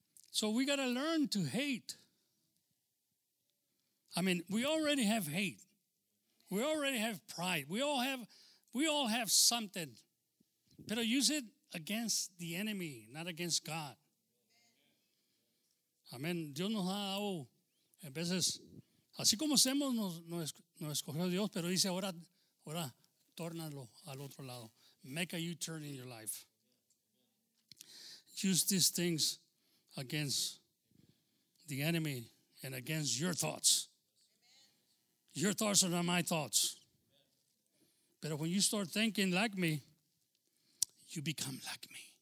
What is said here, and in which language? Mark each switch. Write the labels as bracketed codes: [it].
[en] So we got to learn to hate. I mean, we already have hate. We already have pride. We all have something. Pero use it against the enemy, not against God. [es] Amén. Dios nos ha dado a veces. Así como hacemos, nos escogió Dios, pero dice ahora, tórnalo al otro lado. [en] Make a U-turn in your life. Use these things against the enemy and against your thoughts. Your thoughts are not my thoughts. But when you start thinking like me, you become like me.